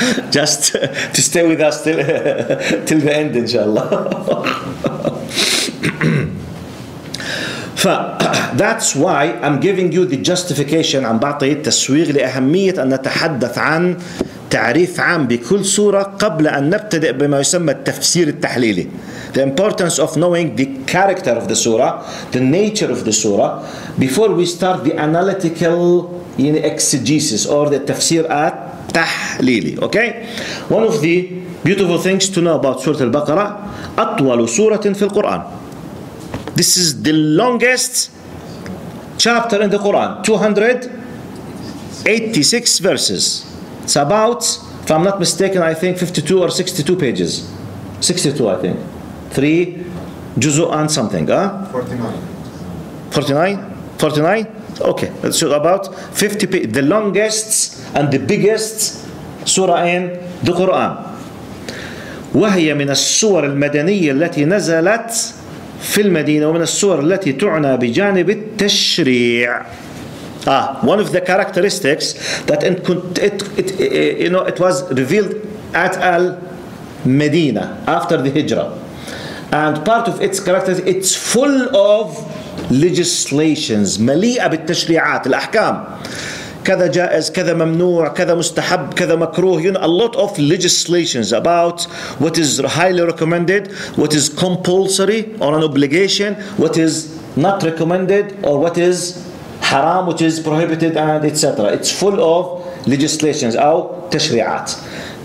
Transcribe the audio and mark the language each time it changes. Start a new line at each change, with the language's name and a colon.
English: Just to stay with us till the end, inshallah. That's why I'm giving you the justification.
Arabic: I'm بعطي التسويق لأهمية أن نتحدث عن تعريف عام بكل سورة قبل أن نبتدأ بما يسمى التفسير التحليلي.
English: The importance of knowing the character of the surah, the nature of the surah, before we start the analytical exegesis or the tafsir at-tahlili. Okay? One of the beautiful things to know about Surah Al-Baqarah,
Arabic: أطول سورة في القرآن.
English: This is the longest chapter in the Quran, 286 verses. It's about, if I'm not mistaken, I think 52 or 62 pages. 62, I think. 3 juzu and something, 49. Okay, so about 50 pages, the longest and the biggest surah in the Quran.
Arabic: وهي من السور المدنية التي نزلت في المدينة ومن السور التي تعنى بجانب التشريع.
English: One of the characteristics that it was revealed at Al Medina after the Hijra, and part of its characteristics, it's full of legislations,
Arabic: مليئة بالتشريعات الأحكام. كذا جائز, كذا ممنوع, كذا مستحب, كذا مكروه.
English: You know, a lot of legislations about what is highly recommended, what is compulsory or an obligation, what is not recommended or what is haram, which is prohibited, and etc. It's full of legislations or تشريعات.